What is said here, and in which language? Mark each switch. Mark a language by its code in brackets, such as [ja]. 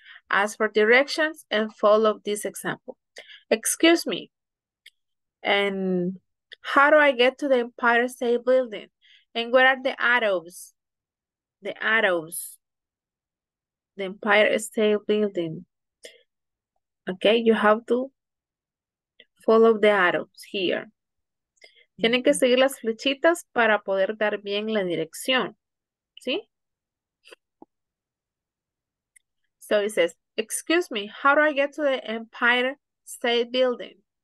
[en] Ask for directions and follow this example. Excuse me, and how do I get to the Empire State Building? And where are the arrows? The arrows. The Empire State Building. Okay, you have to follow the arrows here. [es] Tienen que seguir las flechitas para poder dar bien la dirección. ¿Sí? [en] So it says, excuse me, how do I get to the Empire State Building?